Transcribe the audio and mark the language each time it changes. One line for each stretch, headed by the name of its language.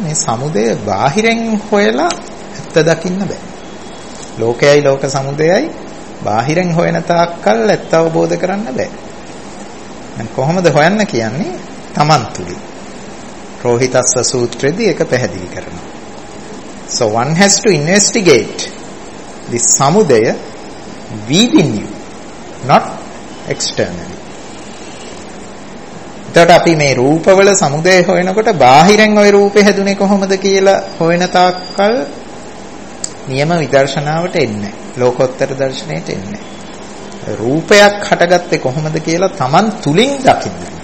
Sinhala: මේ සමුදය බාහිරෙන් හොයලා ඇත්ත දකින්න බෑ. ලෝකයයි ලෝක සමුදයයි බාහිරෙන් හොයන තාක්කල් ඇත්ත අවබෝධ කරන්න බෑ. දැන් කොහොමද හොයන්න කියන්නේ? තමන් තුලින්. රෝහිතස්ස සූත්‍රයේදී ඒක පැහැදිලි කරනවා.
English: So one has to investigate the samudaya within you, not externally.
Sinhala: එතකොට අපි මේ රූපවල සමුදය හොයනකොට බාහිරෙන් ওই රූපේ හැදුනේ කොහොමද කියලා හොයන තාක්කල් නියම විදර්ශනාවට එන්නේ නැහැ. ලෝකෝත්තර දර්ශනයට එන්නේ නැහැ. රූපයක් හටගත්තේ කොහොමද කියලා තමන් තුලින් දකින්න.